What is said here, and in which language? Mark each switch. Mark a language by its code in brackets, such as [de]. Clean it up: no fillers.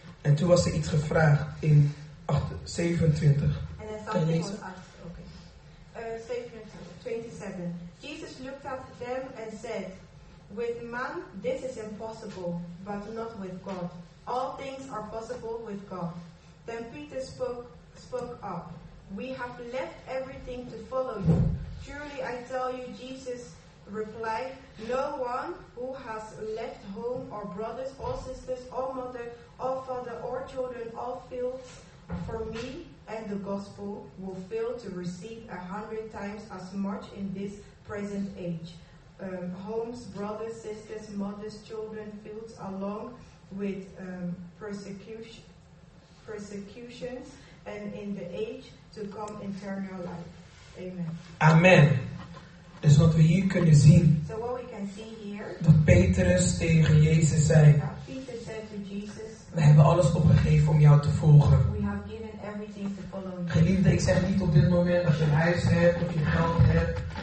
[nl] En toen was er iets gevraagd in 27. [en] And then something was asked. Okay. 27. Jesus looked at them and said, with man this is impossible, but not with God. All things are possible with God. Then Peter spoke up. We have left everything to follow you. Truly I tell you, Jesus replied, no one who has left home or brothers or sisters or mother or father or children or fields for me and the gospel will fail to receive 100 times as much in this present age. Homes, brothers, sisters, mothers, children, fields, along with persecutions and in the age to come eternal life. Amen. Amen. [nl] Dus wat we hier kunnen zien. [en] So what we can see here, [nl] dat Petrus tegen Jezus zei. [en] Peter said to Jesus, [nl] we hebben alles opgegeven om jou te volgen. [en] We have given everything to follow you. [nl] Geliefde, ik zeg niet op dit moment. Als je een huis hebt of je geld hebt.